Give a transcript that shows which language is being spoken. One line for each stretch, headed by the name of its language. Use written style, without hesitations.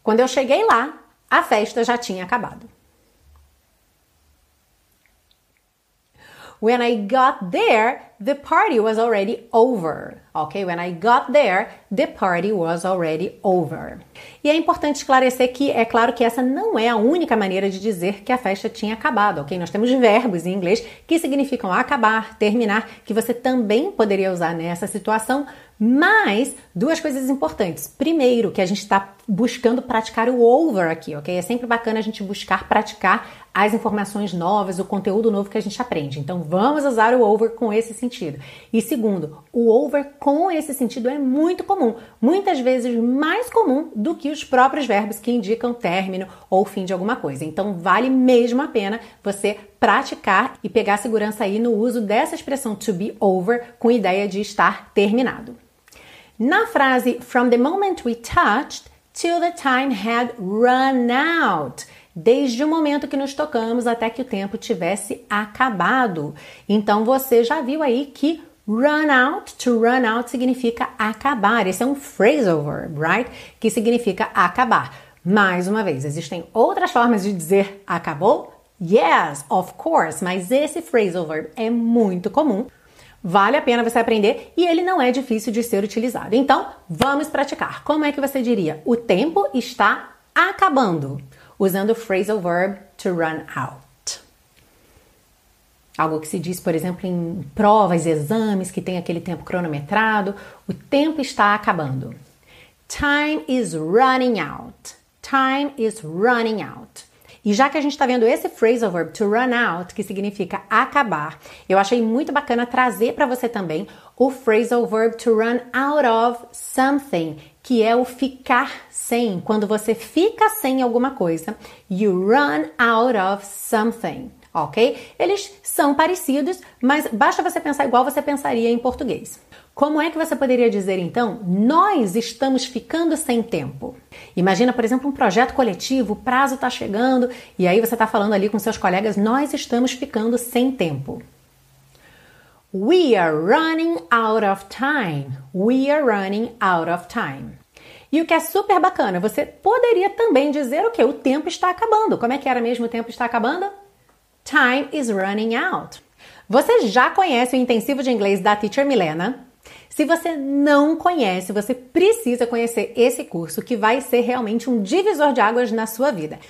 Portuguese: Quando eu cheguei lá, a festa já tinha acabado.
English: When I got there, the party was already over. Okay? When I got there, the party was already over.
Portuguese: E é importante esclarecer que é claro que essa não é a única maneira de dizer que a festa tinha acabado, ok? Nós temos verbos em inglês que significam acabar, terminar, que você também poderia usar nessa situação, mas duas coisas importantes. Primeiro, que a gente está buscando praticar o over aqui, ok? É sempre bacana a gente buscar praticar as informações novas, o conteúdo novo que a gente aprende. Então, vamos usar o over com esse sentido. E segundo, o over com esse sentido é muito comum, muitas vezes mais comum do que os próprios verbos que indicam término ou fim de alguma coisa. Então, vale mesmo a pena você praticar e pegar segurança aí no uso dessa expressão to be over com ideia de estar terminado. Na frase
English: from the moment we touched till the time had run out.
Portuguese: Desde o momento que nos tocamos até que o tempo tivesse acabado. Então você já viu aí que run out significa acabar. Esse é um phrasal verb, right? Que significa acabar. Mais uma vez, existem outras formas de dizer acabou?
English: Yes, of course,
Portuguese: mas esse phrasal verb é muito comum. Vale a pena você aprender e ele não é difícil de ser utilizado. Então, vamos praticar. Como é que você diria? O tempo está acabando. Usando o phrasal verb to run out. Algo que se diz, por exemplo, em provas e exames que tem aquele tempo cronometrado. O tempo está acabando.
English: Time is running out. Time is running out.
Portuguese: E já que a gente está vendo esse phrasal verb to run out, que significa acabar, eu achei muito bacana trazer para você também o phrasal verb to run out of something, que é o ficar sem. Quando você fica sem alguma coisa,
English: you run out of something,
Portuguese: ok? Eles são parecidos, mas basta você pensar igual você pensaria em português. Como é que você poderia dizer então, nós estamos ficando sem tempo? Imagina, por exemplo, um projeto coletivo, o prazo está chegando, e aí você está falando ali com seus colegas, nós estamos ficando sem tempo.
English: We are running out of time. We are running out of time.
Portuguese: E o que é super bacana, você poderia também dizer o quê? O tempo está acabando. Como é que era mesmo o tempo está acabando?
English: Time is running out.
Portuguese: Você já conhece o intensivo de inglês da Teacher Milena? Se você não conhece, você precisa conhecer esse curso que vai ser realmente um divisor de águas na sua vida.